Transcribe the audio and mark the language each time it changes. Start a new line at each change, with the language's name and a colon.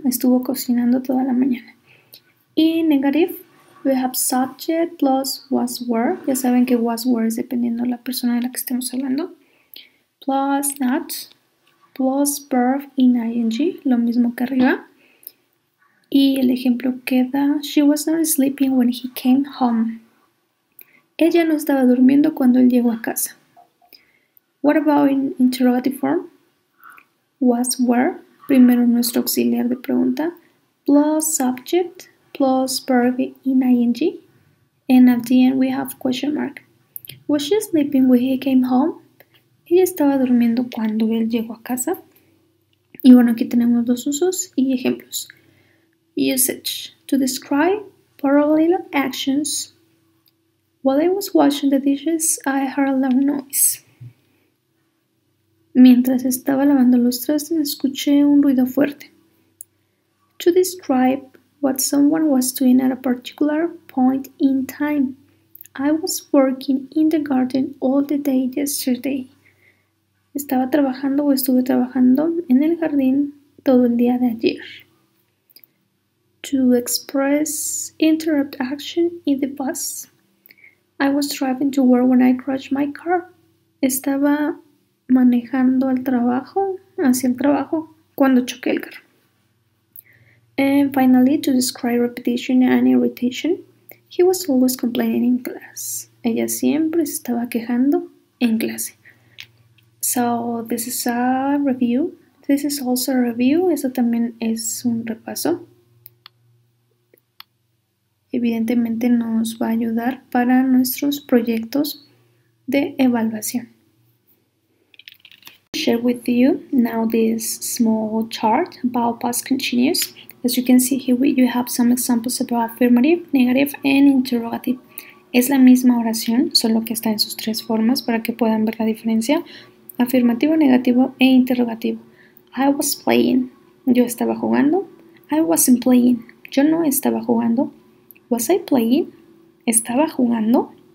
Spanish: Estuvo cocinando toda la mañana.
English: In negative, we have subject plus was were.
Spanish: Ya saben que was were es dependiendo de la persona de la que estemos hablando.
English: Plus not, plus verb in ing,
Spanish: lo mismo que arriba. Y el ejemplo queda,
English: she was not sleeping when he came home.
Spanish: Ella no estaba durmiendo cuando él llegó a casa.
English: What about in interrogative form? Was were,
Spanish: primero nuestro auxiliar de pregunta,
English: plus subject plus verb in ing, and at the end we have question mark. Was she sleeping when he came home?
Spanish: Ella estaba durmiendo cuando él llegó a casa. Y bueno, aquí tenemos dos usos y ejemplos.
English: Usage: to describe parallel actions. While I was washing the dishes, I heard a loud noise.
Spanish: Mientras estaba lavando los trastes, escuché un ruido fuerte.
English: To describe what someone was doing at a particular point in time. I was working in the garden all the day yesterday.
Spanish: Estaba trabajando o estuve trabajando en el jardín todo el día de ayer.
English: To express interrupt action in the bus. I was driving to work when I crashed my car.
Spanish: Estaba manejando al trabajo, hacia el trabajo, cuando choqué el carro.
English: And finally, to describe repetition and irritation, he was always complaining in class.
Spanish: Ella siempre estaba quejando en clase.
English: So, this is a review. This is also a review.
Spanish: Eso también es un repaso. Evidentemente nos va a ayudar para nuestros proyectos de evaluación.
English: I'll share with you now this small chart about past continuous. As you can see here, you have some examples about affirmative, negative, and interrogative.
Spanish: Es la misma oración, solo que está en sus tres formas para que puedan ver la diferencia. Afirmativo, negativo e interrogativo.
English: I was playing.
Spanish: Yo estaba jugando.
English: I wasn't playing.
Spanish: Yo no estaba jugando.
English: Was I playing?
Spanish: Estaba jugando.